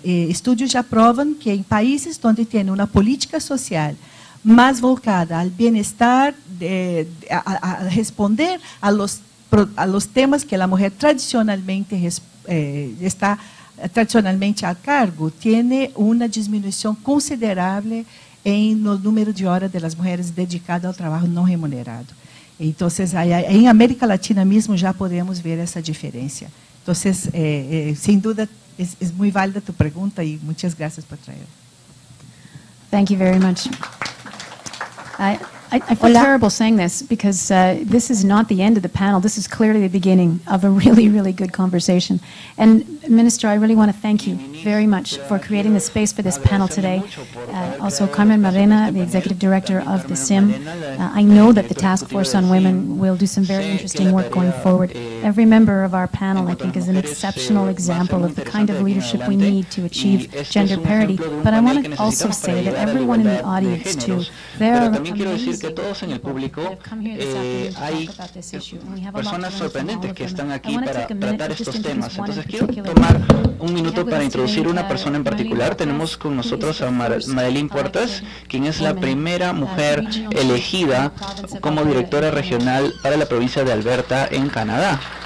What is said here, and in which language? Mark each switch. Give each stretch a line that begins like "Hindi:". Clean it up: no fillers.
Spanish: Estudios ya prueban que en países donde tienen una política social más volcada al bienestar, a responder a los temas que la mujer tradicionalmente está tradicionalmente a cargo, tiene una disminución considerable en el número de horas de las mujeres dedicadas al trabajo no remunerado. Entonces, en América Latina mismo ya podemos ver esa diferencia. Entonces, sin duda, es muy válida tu pregunta y muchas gracias por traerla.
English: Thank you very much. I feel terrible saying this because this is not the end of the panel. This is clearly the beginning of a really, really good conversation. And Minister, I really want to thank you very much for creating the space for this panel today. Also, Carmen Marena, the Executive Director of the CIM. I know that the Task Force on Women will do some very interesting work going forward. Every member of our panel, I think, is an exceptional example of the kind of leadership we need to achieve gender parity. But I want to also say that everyone in the audience, too, there are
Spanish: que todos en el público hay personas sorprendentes que están aquí para tratar estos temas. Entonces quiero tomar un minuto para introducir una persona en particular. Tenemos con nosotros a Madeline Puertas, quien es la primera mujer elegida como directora regional para la provincia de Alberta en Canadá.